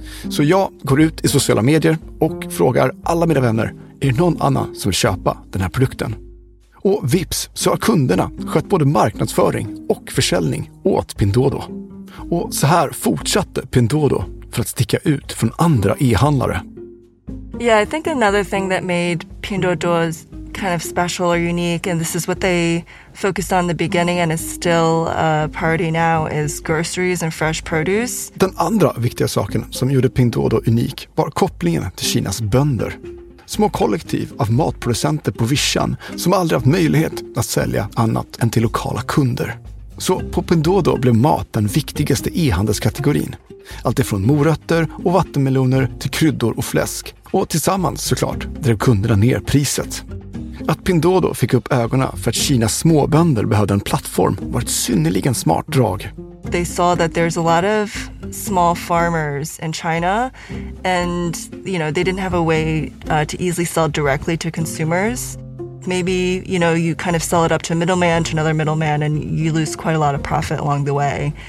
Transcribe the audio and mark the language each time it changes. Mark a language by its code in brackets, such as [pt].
[sv] Så jag går ut i sociala medier och frågar alla mina vänner, är det någon annan som vill köpa den här produkten? Och vips så har kunderna skött både marknadsföring och försäljning åt Pinduoduo. Och så här fortsatte Pinduoduo för att sticka ut från andra e-handlare. [en] Yeah, I think another thing that made Pinduoduo's kind of special or unique, and this is what they focused on in the beginning and is still a priority now, is groceries and fresh produce. [sv] Den andra viktiga saken som gjorde Pinduoduo unik var kopplingen till Kinas bönder. Små kollektiv av matproducenter på vischan som aldrig haft möjlighet att sälja annat än till lokala kunder. Så på Pinduoduo blev mat den viktigaste e-handelskategorin. Allt ifrån morötter och vattenmeloner till kryddor och fläsk. Och tillsammans såklart drev kunderna ner priset. Att Pinduoduo fick upp ögonen för att Kinas småbönder behövde en plattform var ett synnerligen smart drag. [en] They saw that there's a lot of small farmers in China, and you know, they didn't have a way to easily sell directly to consumers. Maybe, you know, you kind of sell it up to a middleman, to another middleman, and you lose quite a lot of profit along the way.